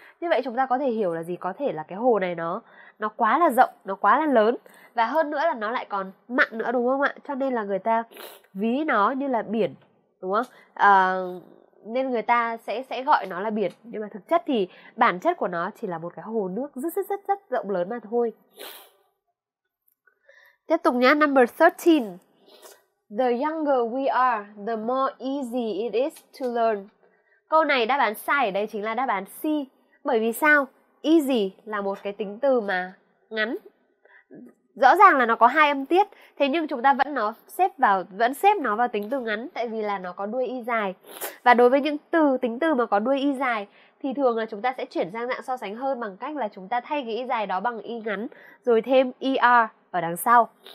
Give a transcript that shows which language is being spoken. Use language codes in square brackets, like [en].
[vi] Như vậy chúng ta có thể hiểu là gì? Có thể là cái hồ này nó quá là rộng, nó quá là lớn, và hơn nữa là nó lại còn mặn nữa đúng không ạ? Cho nên là người ta ví nó như là biển đúng không? Nên người ta sẽ gọi nó là biển, nhưng mà thực chất thì bản chất của nó chỉ là một cái hồ nước rất rất rất rất rộng lớn mà thôi. Tiếp tục nhá, number 13. [en] The younger we are, the more easy it is to learn. [vi] Câu này đáp án sai ở đây chính là đáp án C. Bởi vì sao? Easy là một cái tính từ mà ngắn. Rõ ràng là nó có hai âm tiết, thế nhưng chúng ta vẫn xếp nó vào tính từ ngắn, tại vì là nó có đuôi y dài. Và đối với những từ, tính từ mà có đuôi y dài thì thường là chúng ta sẽ chuyển sang dạng so sánh hơn bằng cách là chúng ta thay cái y dài đó bằng y ngắn rồi thêm er ở đằng sau.